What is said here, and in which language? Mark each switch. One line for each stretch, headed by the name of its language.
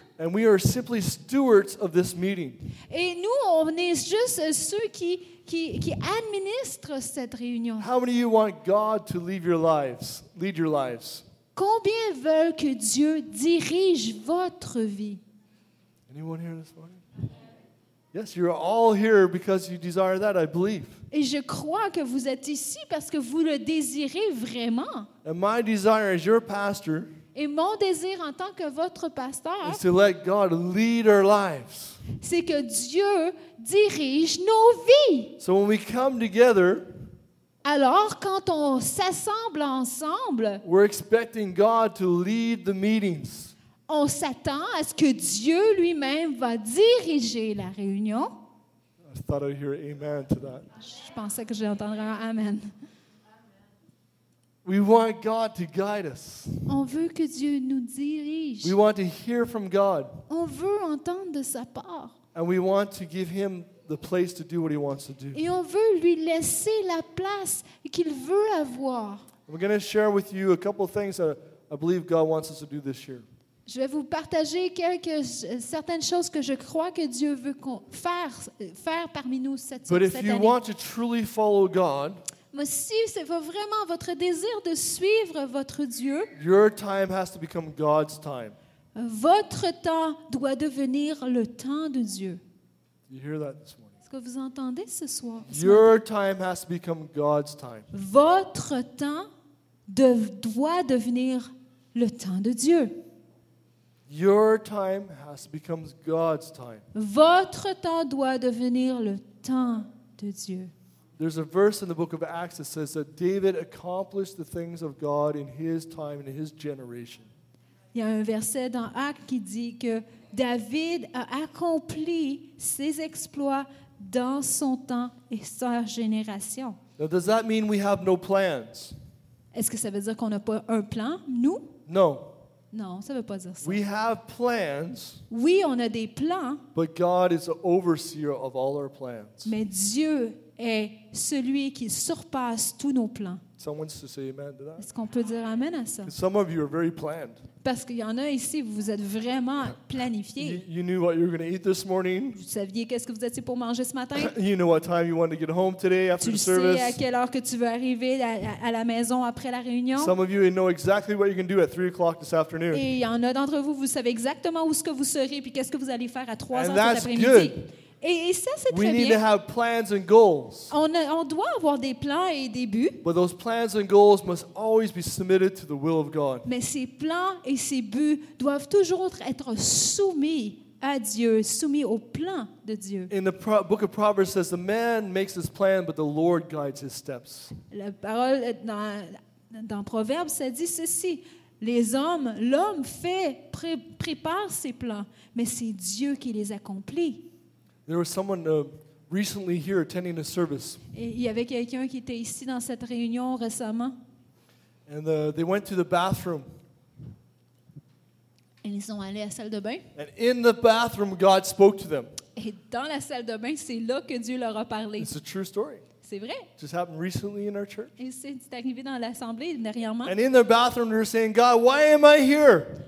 English: And we are simply stewards of this meeting.
French: Et nous, on est juste ceux qui administrent cette réunion.
English: How many of you want God to lead your lives?
French: Combien veulent que Dieu dirige votre vie?
English: Anyone here this morning? Yes, you're all here because you desire that, I believe.
French: Et je crois que vous êtes ici parce que vous le désirez vraiment.
English: And my desire as your pastor.
French: Et mon désir en tant que votre pasteur.
English: Is to let God lead our lives.
French: C'est que Dieu dirige nos vies.
English: So when we come together.
French: Alors, quand on s'assemble ensemble,
English: we're expecting God to lead the meetings.
French: On s'attend à ce que Dieu lui-même va diriger la réunion.
English: I thought I'd hear amen to that.
French: Je pensais que j'entendrais un amen.
English: We want God to guide us.
French: On veut que Dieu nous dirige.
English: We want to hear from God.
French: On veut entendre de sa part.
English: And we want to give him the place to do what he wants to do.
French: Et on veut lui laisser la place qu'il veut avoir.
English: We're going to share with you a couple of things that I believe God wants us to do this year.
French: Je vais vous partager certaines choses que je crois que Dieu veut faire parmi nous cette année.
English: But if you want to truly follow God,
French: mais si c'est vraiment votre désir de suivre votre Dieu,
English: your time has to become God's time.
French: Votre temps doit devenir le temps de Dieu.
English: You hear that this morning?
French: Est-ce que vous entendez ce soir?
English: Your time has to become God's time.
French: Votre temps doit devenir le temps de Dieu.
English: Your time has to become God's time.
French: Votre temps doit devenir le temps de Dieu.
English: There's a verse in the book of Acts that says that David accomplished the things of God in his time and in his generation.
French: Il y a un verset dans Actes qui dit que David a accompli ses exploits dans son temps et sa génération.
English: Now, does that mean we have no plans?
French: Est-ce que ça veut dire qu'on n'a pas un plan, nous? Non. Non, ça ne veut pas dire ça.
English: We have plans.
French: Oui, on a des plans.
English: But God is the overseer of all our plans.
French: Mais Dieu est celui qui surpasse tous nos plans.
English: Someone to say amen to that.
French: Est-ce qu'on peut dire amen à ça?
English: Some of you are very planned.
French: Parce qu'il y en a ici, vous êtes vraiment planifié.
English: You knew what you were going to eat this morning.
French: Vous saviez qu'est-ce que vous étiez pour manger ce matin.
English: You know what time you wanted to get home today after the service.
French: Tu sais à quelle heure que tu veux arriver à la maison après la réunion.
English: Some of you know exactly what you can do at 3 o'clock this afternoon.
French: Et il y en a d'entre vous, vous savez exactement où ce que vous serez puis qu'est-ce que vous allez faire à 3 heures cet après-midi.
English: And that's good.
French: Et ça, c'est
English: we
French: très
English: need
French: bien.
English: To have plans and goals.
French: On doit avoir des plans et des buts.
English: But those plans and goals must always be submitted to the will of God.
French: Mais ces plans et ces buts doivent toujours être soumis à Dieu, soumis au plan de Dieu.
English: In the book of Proverbs says the man makes his plan but the Lord guides his steps.
French: La parole dans Proverbes ça dit ceci. L'homme fait prépare ses plans, mais c'est Dieu qui les accomplit.
English: There was someone recently here attending a service.
French: Et il y avait quelqu'un qui était ici dans cette réunion récemment.
English: And they went to the bathroom.
French: Et ils sont allés à la salle de bain.
English: And in the bathroom, God spoke to them.
French: Et dans la salle de bain, c'est là que Dieu leur a parlé.
English: It's a true story.
French: C'est vrai.
English: It just happened recently in our church.
French: Et c'est arrivé dans l'assemblée dernièrement.
English: And in the bathroom, they're saying, God, why am I here?